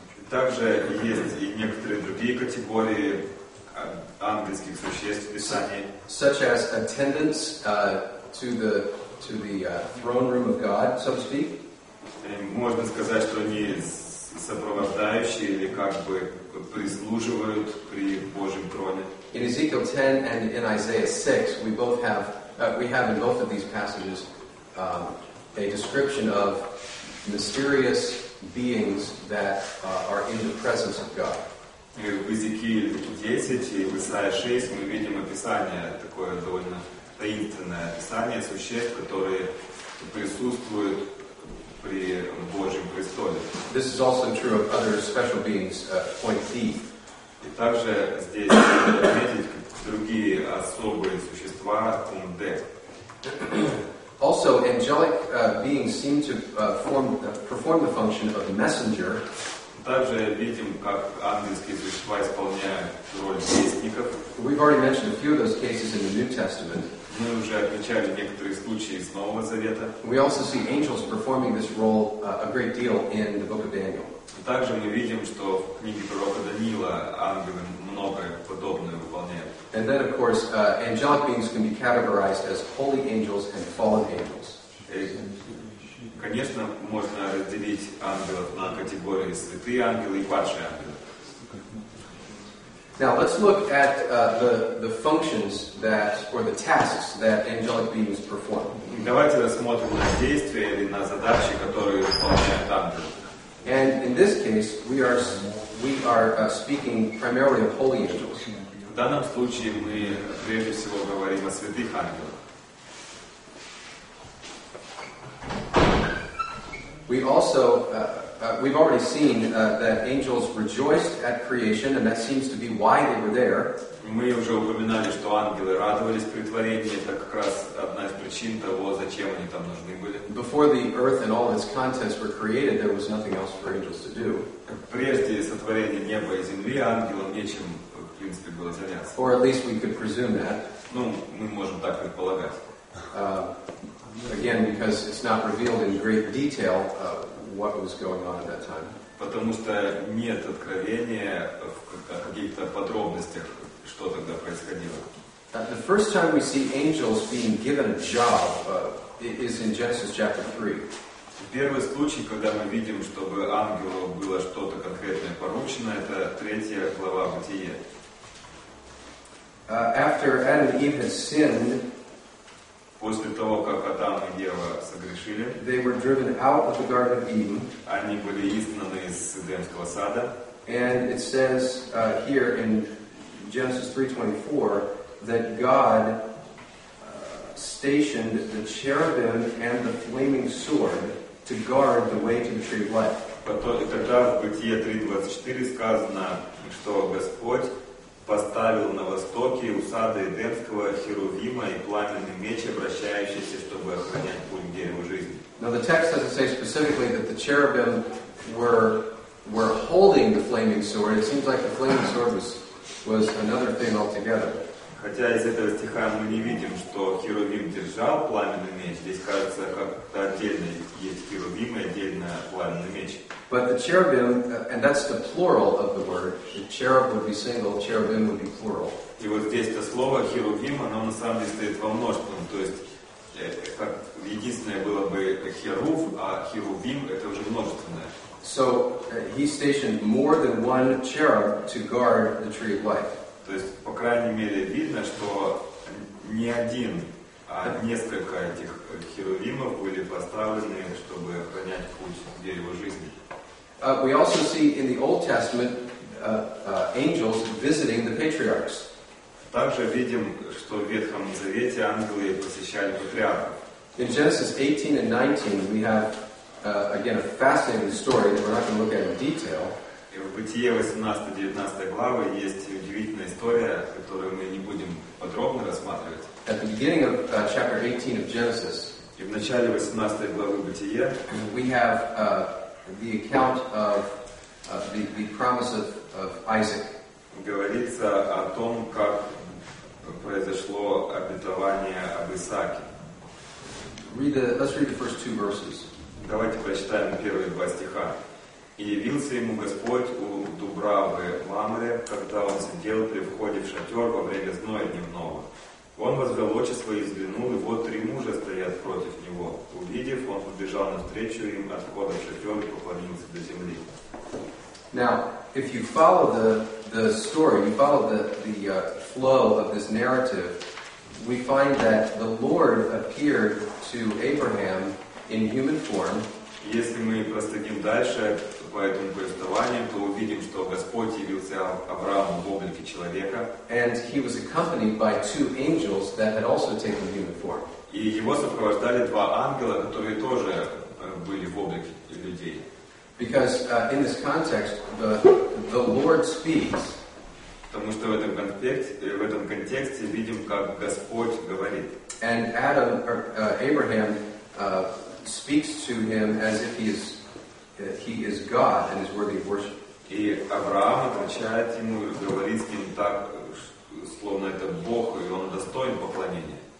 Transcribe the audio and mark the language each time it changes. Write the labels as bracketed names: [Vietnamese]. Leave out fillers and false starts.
[Russian] Также есть и некоторые другие категории ангельских существ в Писании. [English] Such as attendants to the throne room of God, so to speak. [Russian] Можно сказать, что они сопровождающие или как бы прислуживают при Божьем троне. [English] In Ezekiel 10 and in Isaiah 6, we have in both of these passages a description of mysterious beings that are in the presence of God. [Russian] В Иезекииле 10 и в Исаии 6 мы видим описание, такое довольно таинственное описание существ, которые присутствуют при Божьем престоле. [English] This is also true of other special beings, point D. [Russian] И также здесь отметить другие особые существа, пункт D. [English] Also, angelic beings seem to perform the function of messenger. [Russian] Также видим, как ангельские существа исполняют роль вестников. [English] We've already mentioned a few of those cases in the New Testament. [Russian] Мы уже отмечали некоторые случаи из Нового Завета. [English] We also see angels performing this role a great deal in the Book of Daniel. [Russian] Также мы видим, что в книге пророка Даниила ангелы многое подобное выполняют. [English] And then, of course, angelic beings can be categorized as holy angels and fallen angels. [Russian] Конечно, можно разделить ангелов на категории святые ангелы и падшие ангелы. [English] Now let's look at the functions that or the tasks that angelic beings perform. [Russian] Давайте рассмотрим на действия или на задачи, которые выполняют ангелы. [English] And in this case, we are speaking primarily of holy angels. [Russian] В данном случае мы прежде всего говорим о святых ангелах. [English] We also we've already seen that angels rejoiced at creation, and that seems to be why they were there. [Russian] Мы уже упоминали, что ангелы радовались при творении. Это как раз одна из причин того, зачем они там нужны были. [English] Before the earth and all its contents were created, there was nothing else for angels to do. [Russian] Прежде сотворения неба и земли ангелам нечем, в принципе, было заняться. [English] Or at least we could presume that. [Russian] Ну, мы можем так предполагать. [English] Again, because it's not revealed in great detail what was going on at that time. [Russian] Потому что нет откровения в каких-то подробностях, что тогда происходило. [English] The first time we see angels being given a job is in Genesis chapter 3. [Russian] Первый случай, когда мы видим, чтобы ангелу было что-то конкретное поручено, это третья глава Бытия. [English] After Adam and Eve had sinned, [Russian] после того, как Адам и Ева согрешили, [English] they were driven out of the Garden of Eden. [Russian] Они были изгнаны из Эдемского сада. [English] And it says here in Genesis 3:24 that God stationed the cherubim and the flaming sword to guard the way to the tree of life. [Russian] Потом, тогда в Бытие 3:24 сказано, что Господь поставил на востоке у сада Эдемского херувима и пламенный меч, обращающийся, чтобы охранять путь к дереву жизни. [English] Now the text doesn't say specifically that the cherubim were holding the flaming sword. It seems like the flaming sword was another thing altogether. [Russian] Хотя из этого стиха мы не видим, что херувим держал пламенный меч. Здесь кажется, как отдельно есть херувим и отдельно пламенный меч. [English] But the cherubim, and that's the plural of the word. The cherub would be single, cherubim would be plural. [Russian] И вот здесь это слово херувим, оно на самом деле стоит во множественном. То есть, как единственное было бы херув, а херувим это уже множественное. [English] So he stationed more than one cherub to guard the tree of life. [Russian] То есть, по крайней мере, видно, что не один, а несколько этих херувимов были поставлены, чтобы охранять путь к дереву жизни. [English] We also see in the Old Testament angels visiting the patriarchs. [Russian] Также видим, что в Ветхом Завете ангелы посещали патриархов. [English] In Genesis 18 and 19 we have again a fascinating story that we're not going to look at in detail. [Russian] В Бытие 18-19 главы есть удивительная история, которую мы не будем подробно рассматривать. [English] At the beginning of chapter 18 of Genesis, [Russian] и в начале 18 главы Бытия, [English] we have the account of the promise of Isaac. [Russian] Говорится о том, как произошло обетование об Исааке. [English] Let's read the first two verses. [Russian] Давайте прочитаем первые два стиха. И явился ему Господь у дубравы Мамре, когда он сидел при входе в шатер во время зноя дневного. Он возвел очи свои и взглянул, и вот три мужа стоят против него. Увидев, он побежал навстречу им от входа в шатер и поклонился до земли. [English] Now, if you follow the story, you follow the flow of this narrative, we find that the Lord appeared to Abraham in human form. [Russian] Если мы проследим дальше по этому повествованию, то увидим, что Господь явился Аврааму в облике человека. [English] And he was accompanied by two angels that had also taken human form. [Russian] И его сопровождали два ангела, которые тоже были в облике людей. [English] Because in this context, the Lord speaks. [Russian] Потому что в этом контексте видим, как Господь говорит. [English] And Adam, or, Abraham speaks to him as if he is God and is worthy of worship. [Russian] И Авраам отвечает ему, говорит с ним так, словно это Бог, и он достоин поклонения.